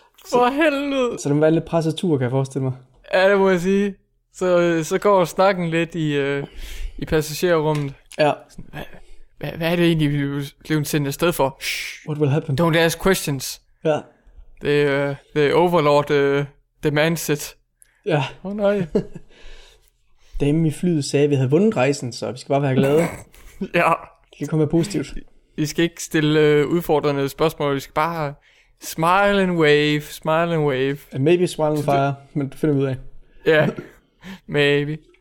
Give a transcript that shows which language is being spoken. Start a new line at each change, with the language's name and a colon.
Danish: For helvede. Så det må være en lidt presset tur, kan jeg forestille mig. Ja, det må jeg sige. Så går snakken lidt i passagerrummet. Ja. Hvad er det egentlig, vi bliver sendt afsted for?
English: Shh, what will happen? Don't ask questions.
Danish: Ja.
English: The overlord demands it.
Danish: Ja. Oh, nej. Dame i flyet sagde, at vi havde vundet rejsen, så vi skal bare være glade. Ja. Det kan komme positivt. Vi skal ikke stille udfordrende spørgsmål. Vi skal bare
English: smile and wave, smile and wave. And maybe smile and fire,
Danish: men det finder vi ud af. Ja,
English: maybe.